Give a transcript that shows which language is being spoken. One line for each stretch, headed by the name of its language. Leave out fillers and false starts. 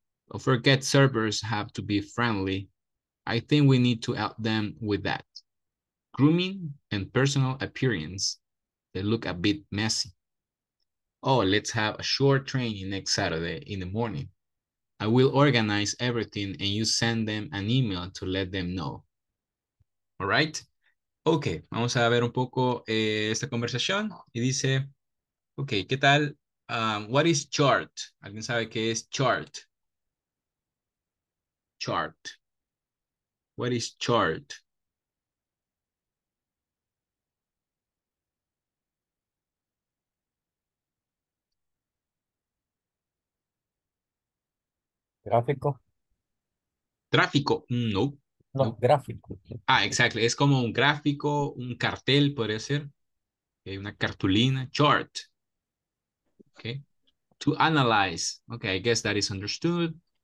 English: Don't forget, servers have to be friendly. I think we need to help them with that. Grooming and personal appearance, they look a bit messy. Let's have a short training next Saturday in the morning. I will organize everything and you send them an email to let them know. All right?
Spanish: Okay, vamos a ver un poco esta conversación. Y dice, okay, ¿qué tal?
English: What is chart?
Spanish: ¿Alguien sabe qué es chart?
English: Chart. What is chart?
Spanish: Gráfico. Tráfico. No. No, gráfico.
English: Ah, exactly.
Spanish: Es como un gráfico, un cartel, podría ser. Okay, una cartulina. Chart.
English: Okay. To analyze. Okay, I guess that is understood.